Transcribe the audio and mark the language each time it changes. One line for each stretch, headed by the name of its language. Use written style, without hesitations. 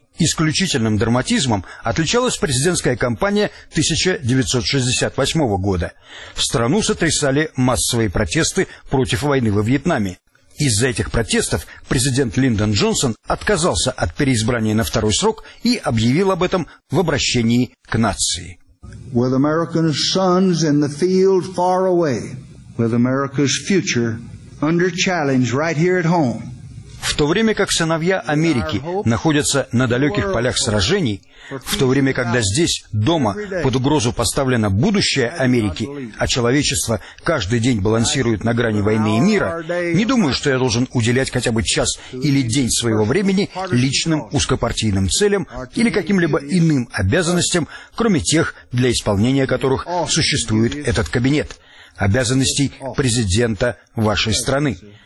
Russian: Исключительным драматизмом отличалась президентская кампания 1968 года. В страну сотрясали массовые протесты против войны во Вьетнаме. Из-за этих протестов президент Линдон Джонсон отказался от переизбрания на второй срок и объявил об этом в обращении к нации.
English: With America's sons in the field far away, with America's future under challenge right here at home.
Russian: В то время как сыновья Америки находятся на далеких полях сражений, в то время когда здесь, дома, под угрозу поставлено будущее Америки, а человечество каждый день балансирует на грани войны и мира, не думаю, что я должен уделять хотя бы час или день своего времени личным узкопартийным целям или каким-либо иным обязанностям, кроме тех, для исполнения которых существует этот кабинет, обязанностей президента вашей страны.